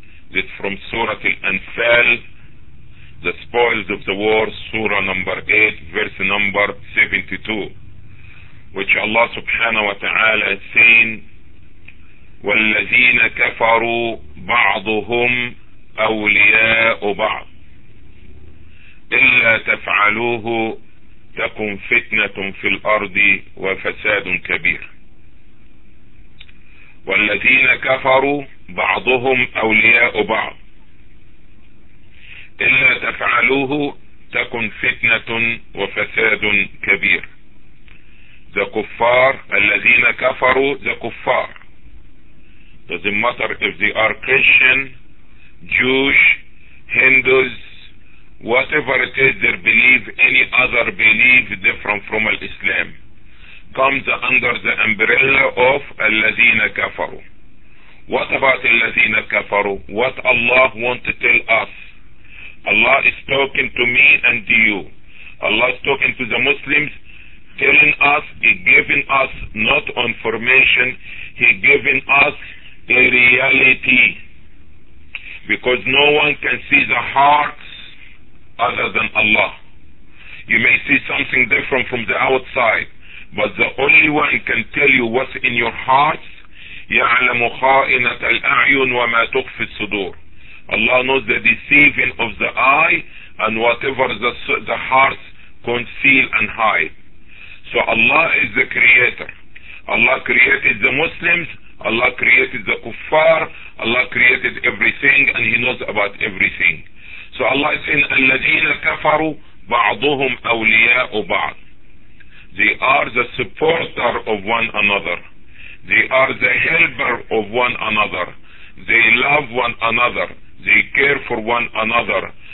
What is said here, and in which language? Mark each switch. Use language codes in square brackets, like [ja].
[en] It's from Surah Al-Anfal, the spoils of the war, Surah number 8, verse number 72, which Allah subhanahu wa ta'ala is saying, [ar] وَالَّذِينَ كَفَرُوا بَعْضُهُمْ أَوْلِيَاءُ بَعْضُ إلا تفعلوه تكن فتنة في الأرض وفساد كبير. والذين كفروا بعضهم أولياء بعض إلا تفعلوه تكن فتنة وفساد كبير. The كفار الذين كفروا the كفار. [en] Doesn't matter if they are Christian, Jewish, Hindus, whatever it is, their belief, any other belief different from Islam. comes under the umbrella of [ar] الذين كفروا. [en] What about [ar] الذين كفروا? [en] What Allah wants to tell us? Allah is talking to me and to you. Allah is talking to the Muslims, telling us, giving us not information, He giving us a reality. Because no one can see the hearts other than Allah. You may see something different from the outside, but the only one can tell you what's in your hearts. [ar] يعلم خائنة الأعين وما تخفي الصدور. [en] Allah knows the deceiving of the eye and whatever the hearts conceal and hide. So Allah is the creator. Allah created the Muslims. Allah created the kuffar. Allah created everything and He knows about everything. So Allah is saying, [ar] الذين كفروا بعضهم أولياء بعض. [en] They are the supporter of one another. They are the helper of one another. They love one another. They care for one another.